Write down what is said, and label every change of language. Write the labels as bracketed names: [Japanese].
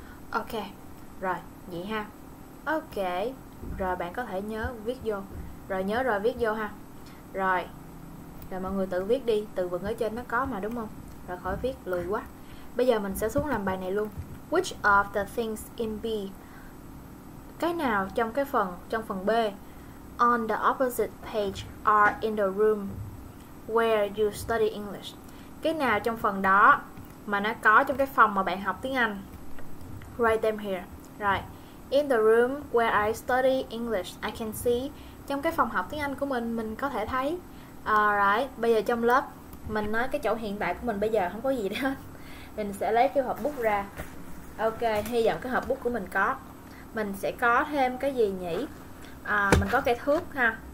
[Vietnamese] Ok, rồi vậy ha. Ok, rồi bạn có thể nhớ viết vô. Rồi nhớ rồi viết vô ha. Rồi, là mọi người tự viết đi, từ vựng ở trên nó có mà đúng không? Rồi khỏi viết, lười quá. Bây giờ mình sẽ xuống làm bài này luôn. [English] Which of the things in B? [Vietnamese] Cái nào trong cái phần, trong phần B? [English] On the opposite page or in the room where you study English? [Vietnamese] Cái nào trong phần đó mà nó có trong cái phòng mà bạn học tiếng Anh? [English] Write them here. Right. In the room where I study English, I can see. [Vietnamese] Trong cái phòng học tiếng Anh của mình có thể thấy. Alright, bây giờ trong lớp mình nói cái chỗ hiện tại của mình bây giờ không có gì đó. Mình sẽ lấy cái hộp bút ra. Ok, hy vọng cái hộp bút của mình có. Mình sẽ có thêm cái gì nhỉ? À, mình có cái thước ha.